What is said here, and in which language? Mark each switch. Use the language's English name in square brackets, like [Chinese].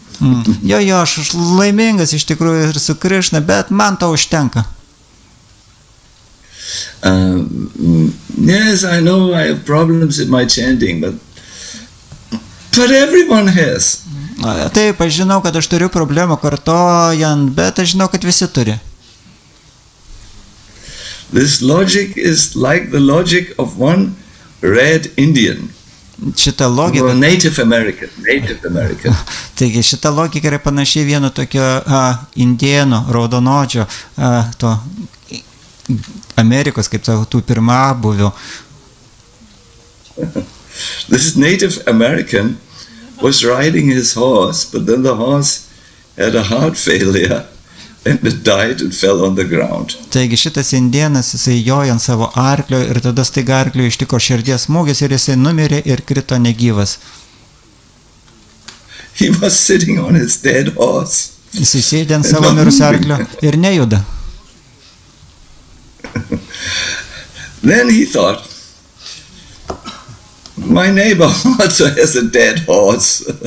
[Lithuanian] Aš laimingas iš tikrųjų ir su Krishna, bet man to užtenka. [English] Yes, I know I have problems in my chanting, but everyone has. [Lithuanian] Taip, aš žinau, kad aš turiu problemų kartojant, bet aš žinau, kad visi turi. [English] This logic is like the logic of one red Indian. [Lithuanian] Šita logika, [English] Native American. [Lithuanian] Taigi šita logika yra panašiai vieno tokio indėno, raudonodžio, to Amerikos, kaip sako, tų pirmą buvio. [English] This Native American was riding his horse, but then the horse had a heart failure. And it died and fell on the ground. [Lithuanian] Taigi šitas indienas, jisai jojo ant savo arklio ir tada staiga arkliui ištiko širdies smūgis ir jisai numirė ir krito negyvas. [English] He was sitting on his dead horse. [Lithuanian] Jisai sėdė ant savo mirusio arklio ir nejuda. [English] Then he thought, my neighbor also has a dead horse.